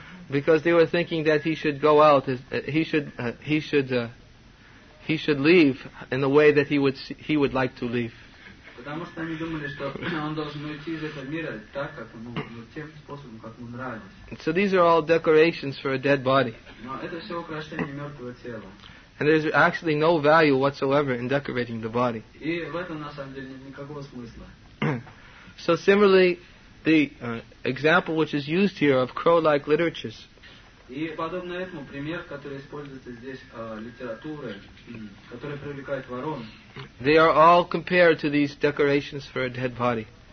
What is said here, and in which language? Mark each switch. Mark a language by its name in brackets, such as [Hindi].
[English] Because they were thinking that he should go out, he should leave in the way that he would like to leave. [Russian] Потому что они думали, что он должен уйти из этого мира так, как ему, тем способом, как ему нравилось. [English] So these are all decorations for a dead body. [Russian] Но это все украшения мертвого тела. [English] And there's actually no value whatsoever in decorating the body. [Russian] И в этом на самом деле нет никакого смысла. [English] So similarly, the example which is used here of crow-like literatures. [Russian] И подобно этому пример, который используется здесь литературы, которая привлекает ворон. [English] They are all compared to these decorations for a dead body.